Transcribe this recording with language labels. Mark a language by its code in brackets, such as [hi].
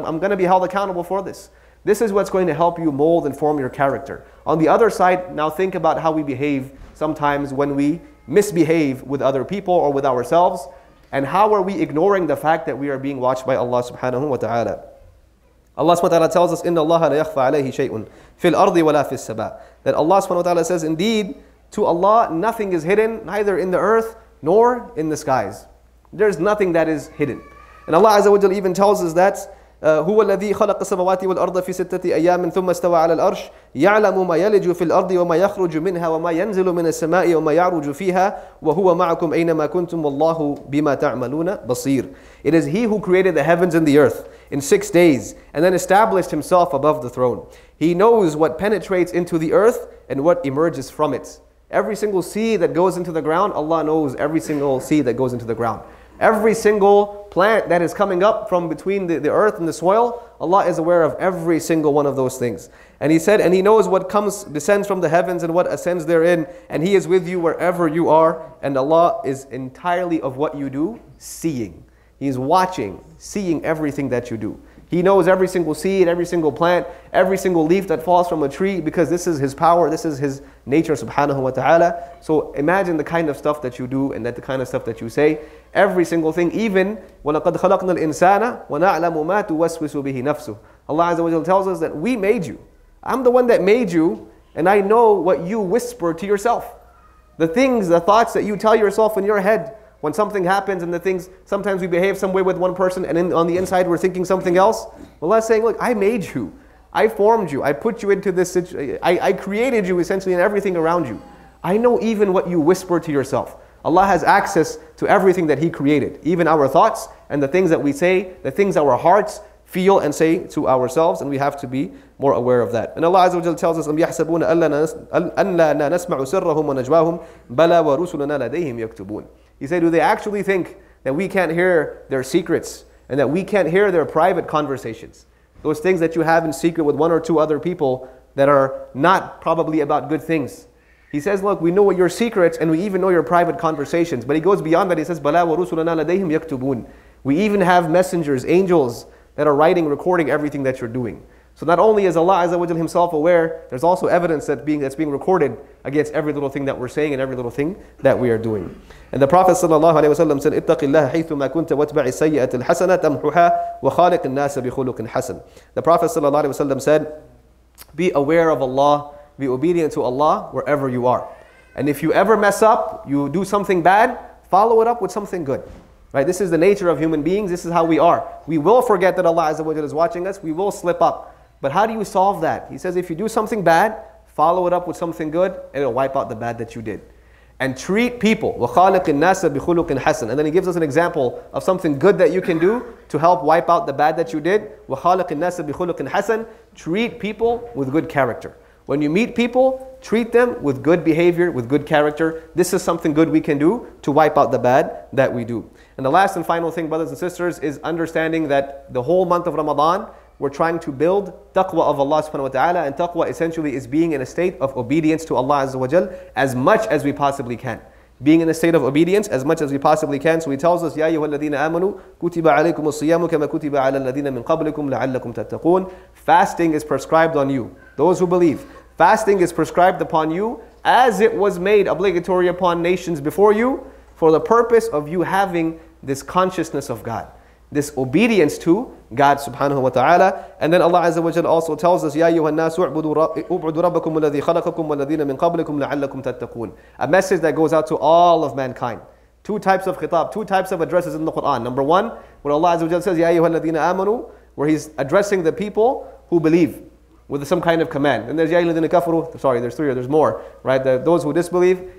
[en] I'm going to be held accountable for this. This is what's going to help you mold and form your character. On the other side, now think about how we behave sometimes when we misbehave with other people or with ourselves. And how are we ignoring the fact that we are being watched by Allah subhanahu wa ta'ala? Allah subhanahu wa ta'ala tells us, [ar] إِنَّ اللَّهَ لَيَخْفَ عَلَيْهِ شَيْءٌ فِي الْأَرْضِ وَلَا فِي السَّبَاءِ. [en] That Allah subhanahu wa ta'ala says, indeed, to Allah, nothing is hidden, neither in the earth nor in the skies. There's nothing that is hidden. And Allah Azza wa Jal even tells us that, [ar] هو الذي خلق السماوات والأرض في ستة أيام ثم استوى على الأرش يعلم ما يلج في الأرض وما يخرج منها وما ينزل من السماء وما يعرج فيها وهو معكم أينما كنتم والله بما تعملون بصير. [en] It is He who created the heavens and the earth in 6 days and then established Himself above the throne. He knows what penetrates into the earth and what emerges from it. Every single seed that goes into the ground, Allah knows every single seed that goes into the ground. Every single plant that is coming up from between the earth and the soil, Allah is aware of every single one of those things. And He said, and He knows what comes, descends from the heavens and what ascends therein, and He is with you wherever you are, and Allah is entirely of what you do, seeing. He is watching, seeing everything that you do. He knows every single seed, every single plant, every single leaf that falls from a tree, because this is His power, this is His nature, subhanahu wa ta'ala. So imagine the kind of stuff that you do and that the kind of stuff that you say. Every single thing, even [ar] وَلَقَدْ خَلَقْنَا الْإِنسَانَ وَنَعْلَمُ مَا تُوَسْوِسُ بِهِ نَفْسُهُ. [en] Allah Azza wa Jalla tells us that we made you. I'm the one that made you, and I know what you whisper to yourself. The things, the thoughts that you tell yourself in your head, when something happens and the things, sometimes we behave some way with one person and on the inside we're thinking something else. Allah is saying, look, I made you. I formed you. I put you into this situation. I created you essentially in everything around you. I know even what you whisper to yourself. Allah has access to everything that He created. Even our thoughts and the things that we say, the things our hearts feel and say to ourselves, and we have to be more aware of that. And Allah Azza wa Jalla tells us, [ar] أَمْ يَحْسَبُونَ أَلَّا نَسْمَعُ سِرَّهُمْ وَنَجْوَاهُمْ بَلَا وَرُسُلُنَا لَدَيْهِمْ يَكْتُبُونَ. [en] He said, do they actually think that we can't hear their secrets and that we can't hear their private conversations? Those things that you have in secret with one or two other people that are not probably about good things. He says, look, we know what your secrets and we even know your private conversations. But he goes beyond that. He says, [ar] بَلَا وَرُسُلُنَا لَدَيْهِمْ يَكْتُبُونَ. [en] We even have messengers, angels, that are writing, recording everything that you're doing. So not only is Allah Azza wa Jalla himself aware, there's also evidence that's being recorded against every little thing that we're saying and every little thing that we are doing. And the Prophet sallallahu alaihi wasallam said, [ar] اتَّقِ اللَّهَ حَيْثُمَا كُنْتَ وَاتْبَعِ السَّيِّئَةِ الْحَسَنَةَ تَمْحُهَا وَخَالِقِ النَّاسَ بِخُلُقٍ حَسَنٍ. [en] The Prophet sallallahu alaihi wasallam said, be aware of Allah, be obedient to Allah wherever you are. And if you ever mess up, you do something bad, follow it up with something good. Right, this is the nature of human beings, this is how we are. We will forget that Allah Azza wa Jalla is watching us, we will slip up. But how do you solve that? He says, if you do something bad, follow it up with something good, and it'll wipe out the bad that you did. And treat people, [ar] وَخَالِقِ النَّاسَ بِخُلُقٍ حَسَنٍ. [en] And then he gives us an example of something good that you can do to help wipe out the bad that you did. [ar] وَخَالِقِ النَّاسَ بِخُلُقٍ حَسَنٍ. [en] Treat people with good character. When you meet people, treat them with good behavior, with good character. This is something good we can do to wipe out the bad that we do. And the last and final thing, brothers and sisters, is understanding that the whole month of Ramadan, we're trying to build taqwa of Allah subhanahu wa ta'ala, and taqwa essentially is being in a state of obedience to Allah azza wa jal as much as we possibly can. Being in a state of obedience as much as we possibly can. So he tells us, [ar] يَا أَيُّهَا الَّذِينَ آمَنُوا كُتِبَ عَلَيْكُمُ الصِّيَامُ كَمَا كُتِبَ عَلَى الَّذِينَ مِنْ قَبْلِكُمْ لَعَلَّكُمْ تَتَّقُونَ. [en] Fasting is prescribed on you. Those who believe, fasting is prescribed upon you as it was made obligatory upon nations before you for the purpose of you having this consciousness of God, this obedience to God subhanahu wa ta'ala. And then Allah Azza wa Jalla also tells us, [ar] يَا أَيُّهَا النَّاسُ اُعْبُدُوا رَبَّكُمْ الَّذِي خَلَقَكُمْ وَالَّذِينَ مِنْ قَبْلِكُمْ لَعَلَّكُمْ تَتَّقُونَ. [en] A message that goes out to all of mankind. Two types of khitab, two types of addresses in the Quran. Number one, when Allah Azza wa Jalla says, [ar] يَا أَيُّهَا الَّذِينَ آمَنُوا, [en] where He's addressing the people who believe with some kind of command. And there's [ar] يَا أَيُّهَا الَّذِينَ كَفَرُوا, [en] sorry, there's three or there's more, right? Those who disbelieve.